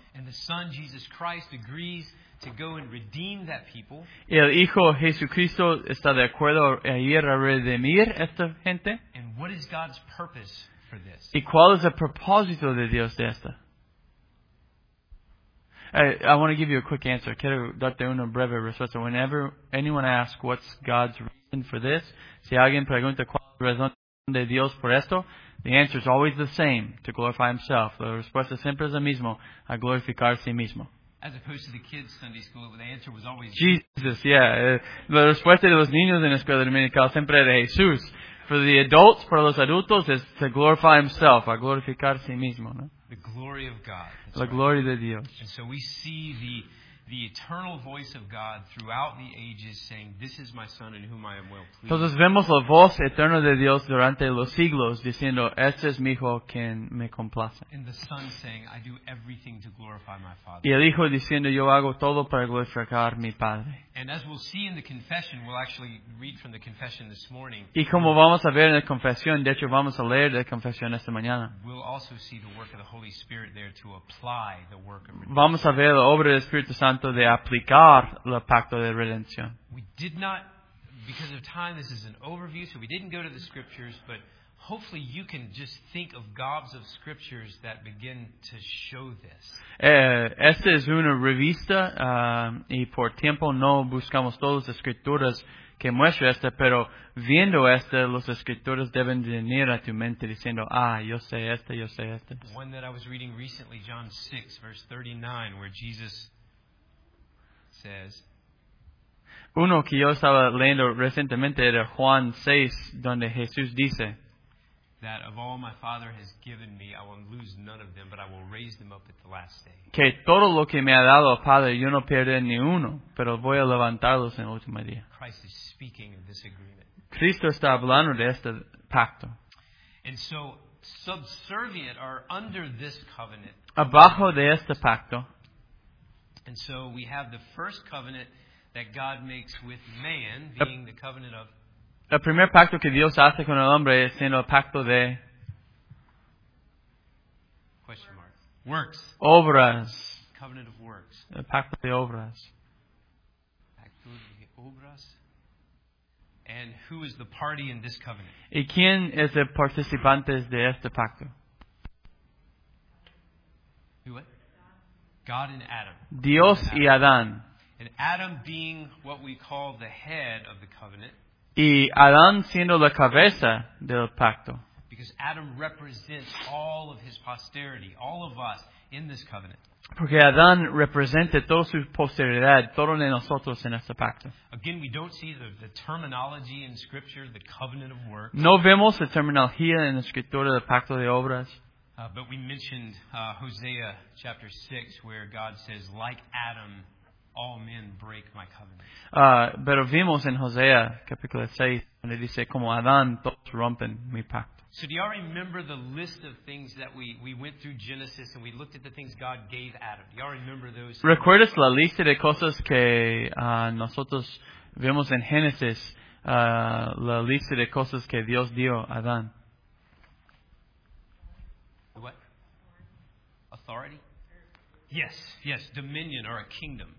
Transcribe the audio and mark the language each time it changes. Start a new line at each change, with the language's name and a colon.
English: And the Son, Jesus Christ, agrees to go and redeem that people.
Spanish: Y el Hijo Jesucristo está de acuerdo a ir a redimir esta gente.
English: And what is God's purpose for this?
Spanish: ¿Y cuál es el propósito de Dios de esta?
English: I want to give you a quick answer.
Spanish: Quiero darte una breve respuesta.
English: Whenever anyone asks what's God's reason for this,
Spanish: si alguien pregunta cuál es la razón de Dios por esto,
English: the answer is always the same, to glorify himself.
Spanish: La respuesta siempre es la misma, a glorificar a sí mismo.
English: as opposed to the kids' Sunday school, the answer was always Jesus. Yeah.
Spanish: La respuesta de los niños en la escuela dominical siempre era Jesús.
English: For the adults,
Spanish: para los adultos, es
English: to glorify himself,
Spanish: a glorificar sí mismo. No?
English: The glory of God.
Spanish: La gloria de Dios.
English: And so we see the eternal voice of God throughout the ages saying, this is my son in whom I am well pleased.
Spanish: Entonces vemos la voz eterna de Dios durante los siglos diciendo, este es mi hijo quien me complace.
English: And the son saying, I do everything to glorify my father.
Spanish: Y el hijo diciendo, yo hago todo para glorificar mi padre.
English: And as we'll see in the confession, we'll actually read from the confession this morning.
Spanish: Y como vamos a ver en la confesión, de hecho vamos a leer de la confesión esta mañana.
English: We'll also see the work of the Holy Spirit there to apply the work of redemption.
Spanish: Vamos a ver la obra del Espíritu Santo de aplicar el pacto de redención.
English: We did not, because of time, this is an overview, so we didn't go to the scriptures, but hopefully you can just think of gobs of scriptures that begin to show this.
Spanish: Esta es una revista y por tiempo no buscamos todas las escrituras que muestran esta, pero viendo esta, las escrituras deben venir a tu mente diciendo, ah, yo sé esta, yo sé esta.
English: One that I was reading recently, John 6, verse 39, where Jesus says,
Spanish: uno que yo estaba leyendo recientemente era Juan 6, donde Jesús dice,
English: that of all my Father has given me, I will lose none of them, but I will raise them up at the last day.
Spanish: Que todo lo que me ha dado Padre, yo no pierdo ni uno, pero voy a levantarlos en el último día.
English: Christ is speaking of this agreement.
Spanish: Cristo está hablando de este pacto.
English: And so, subservient or under this covenant.
Spanish: Abajo de este pacto.
English: And so, we have the first covenant that God makes with man, being the covenant of.
Spanish: El primer pacto que Dios hace con el hombre es siendo el pacto de
English: works.
Spanish: Obras.
English: Covenant of works.
Spanish: El pacto de obras. Pacto de obras.
English: And who is the party in this covenant?
Spanish: ¿Y quién es el participante de este pacto?
English: Who what? God and Adam.
Spanish: Dios y Adán.
English: And Adam being what we call the head of the covenant.
Spanish: Y Adán siendo la cabeza del pacto.
English: Because Adam represents all of his posterity, all of us in this covenant.
Spanish: Porque Adán representa toda su posteridad, todo de nosotros en este pacto.
English: Again, we don't see the terminology in Scripture, the covenant of works.
Spanish: No vemos la terminología en la Escritura del pacto de obras.
English: But we mentioned Hosea chapter 6, where God says, like Adam, all men break my covenant.
Spanish: Pero vimos en Hosea capítulo 6 donde dice como Adán todos rompen mi pacto.
English: So do you all remember the list of things that we went through Genesis and we looked at the things God gave Adam? Do you all remember those?
Spanish: ¿Recuerdas la lista de cosas que nosotros vimos en Génesis? La lista de cosas que Dios dio a Adán.
English: What? Authority? Yes, yes, dominion or a kingdom.